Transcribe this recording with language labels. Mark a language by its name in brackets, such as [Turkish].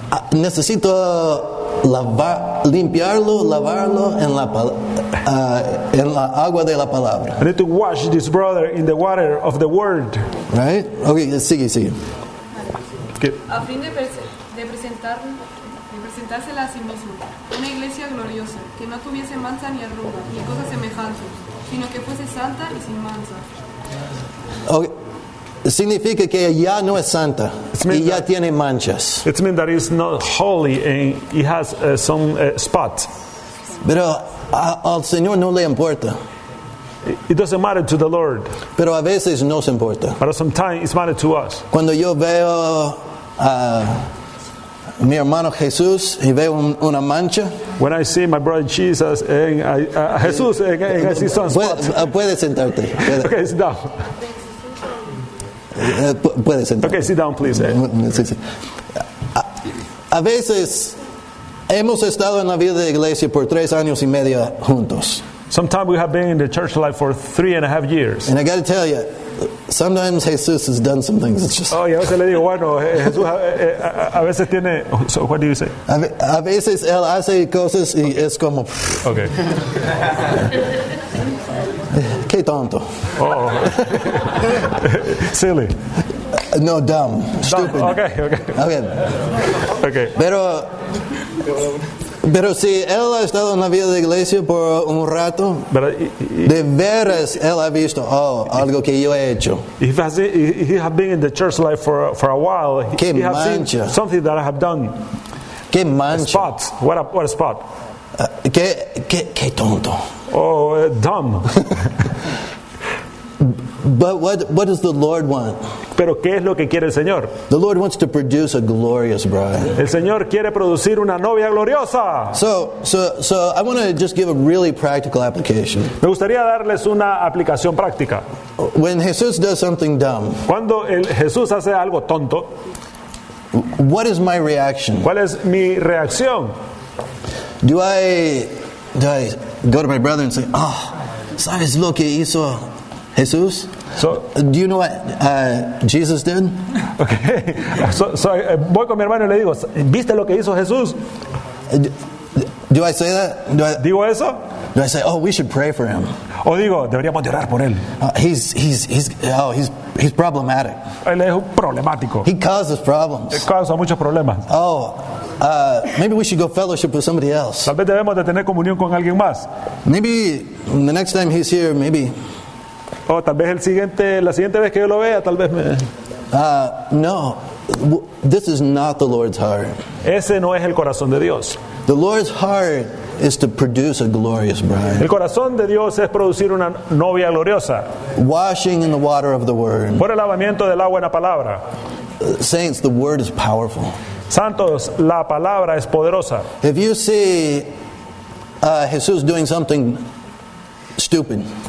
[Spanish] Necesito limpiarlo, lavarlo en la agua de la palabra. [English] I need to wash this brother in the water of the word. Right? Okay, sigue. [Spanish] A fin de presentársela a sí mismo, una iglesia gloriosa, que no tuviese mancha ni arruga, ni cosa semejante, sino que fuese santa y sin mancha. [English] Okay. [Spanish] Significa que ya no es santa y ya tiene manchas. [English] It means that it's not holy and it has some spots. [Spanish] Pero al Señor no le importa. [English] It doesn't matter to the Lord. [Spanish] Pero a veces nos importa. [English] But sometimes it matters to us. [Spanish] Cuando yo veo a mi hermano Jesús y veo una mancha. [English] When I see my brother Jesus and [Spanish] Jesús en ese [English] spot. [Spanish] Puedes sentarte. [English] Okay, sit down. [Spanish] Puedes sentarte. [English] Okay, sit down, please. [Spanish] A veces hemos estado en la vida de iglesia por 3 años y medio juntos. [English] Sometimes we have been in the church life for 3.5 years. And I got to tell you, sometimes Jesus has done some things. It's just. Oh, yeah. [Spanish] A veces le digo, bueno, Jesús a veces tiene. [English] So what do you say? [Spanish] A veces él hace cosas y es como. [English] Okay. [Spanish] Qué tonto. [English] Oh. Silly. No, dumb. Stupid. Okay. [Spanish] Pero. Pero si él ha estado en la vida de iglesia por un rato, de veras él ha visto algo que yo he hecho. [English] He has been in the church life for a while. [Spanish] Qué mancha. [English] Something that I have done. [Spanish] Qué mancha. [English] Spot. What a spot. [Spanish] Qué tonto. [English] Oh, dumb. But what does the Lord want? [Spanish] Pero ¿qué es lo que quiere el Señor? [English] The Lord wants to produce a glorious bride. [Spanish] El Señor quiere producir una novia gloriosa. [English] So I want to just give a really practical application. [Spanish] Me gustaría darles una aplicación práctica. [English] When Jesus does something dumb. [Spanish] Cuando Jesús hace algo tonto. [English] What is my reaction? [Spanish] ¿Cuál es mi reacción? [English] Do I go to my brother and say, "Oh, [Spanish] ¿sabes lo que hizo Jesús?" [English] So, do you know what Jesus did? Okay. [Spanish] So voy con mi hermano y le digo, ¿viste lo que hizo Jesús? [English] Do I say that? [Spanish] Digo eso? [English] Do I say, "Oh, we should pray for him"? [Spanish] O digo, deberíamos orar por él. [English] He's problematic. [Spanish] Él es problemático. [English] He causes problems. [Spanish] Causa muchos problemas. [English] Oh, maybe we should go fellowship with somebody else. [Spanish] Tal vez debemos de tener comunión con alguien más. [English] Maybe the next time he's here, maybe. [Spanish] Oh, tal vez la siguiente vez que yo lo vea, tal vez me. [English] No, this is not the Lord's heart. [Spanish] Ese no es el corazón de Dios. [English] The Lord's heart is to produce a glorious bride. [Spanish] El corazón de Dios es producir una novia gloriosa. [English] Washing in the water of the word. [Spanish] Por el lavamiento de la buena palabra. [English] Saints, the word is powerful. [Spanish] Santos, la palabra es poderosa. [English] If you see Jesus doing something stupid.